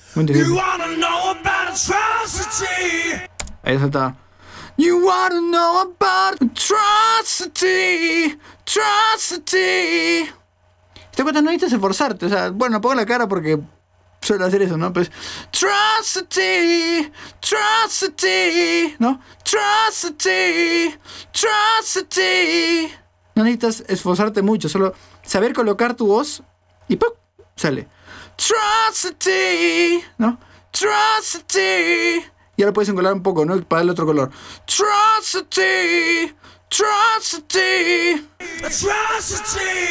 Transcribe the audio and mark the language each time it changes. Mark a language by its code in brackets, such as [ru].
[en] You wanna know about atrocity. [es] Ahí está. [en] You wanna know about atrocity, atrocity. [es] Te cuenta, no necesitas esforzarte, o sea, bueno, pongo la cara porque suelo hacer eso, ¿no? Pues, [en] atrocity, atrocity, [es] ¿no? [en] Atrocity, atrocity. [es] No necesitas esforzarte mucho, solo saber colocar tu voz y ¡pum! Sale. [en] Atrocity, [es] ¿no? [en] Atrocity. [es] Y ahora puedes engolar un poco, ¿no? Para darle otro color. [en] Atrocity, atrocity, atrocity.